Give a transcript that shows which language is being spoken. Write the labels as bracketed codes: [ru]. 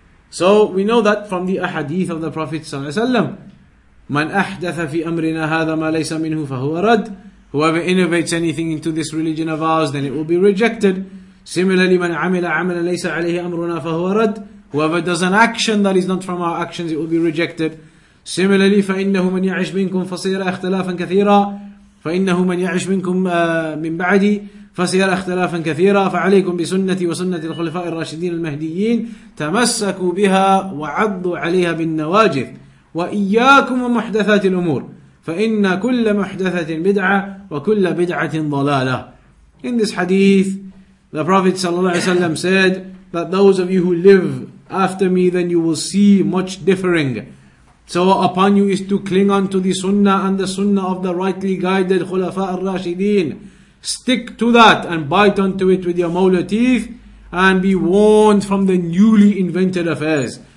[en] So we know that from the ahadith of the Prophet صلى الله عليه وسلم, [ar] من أحدث في أمرنا هذا ما ليس منه فهو رد. [en] Whoever innovates anything into this religion of ours, then it will be rejected. Similarly, [ar] من عمل عملا ليس عليه أمرنا فهو رد. [en] Whoever does an action that is not from our actions, it will be rejected. Similarly, [ar] فإنه من يعش منكم فصير اختلافا كثيرا. فإنه من يعش منكم من بعدي فسير اختلافا كثيرا. فعليكم بسنتي وسنة الخلفاء الراشدين المهديين تمسكوا بها وعضوا عليها بالنواجذ وإياكم ومحدثات الأمور فإن كل محدثة بدعة وكل بدعة ضلالة. [en] In this hadith, the Prophet صلى الله عليه وسلم said that those of you who live after me, then you will see much differing. So what upon you is to cling on to the sunnah and the sunnah of the rightly guided khulafa al-rashideen. Stick to that and bite onto it with your molar teeth and be warned from the newly invented affairs.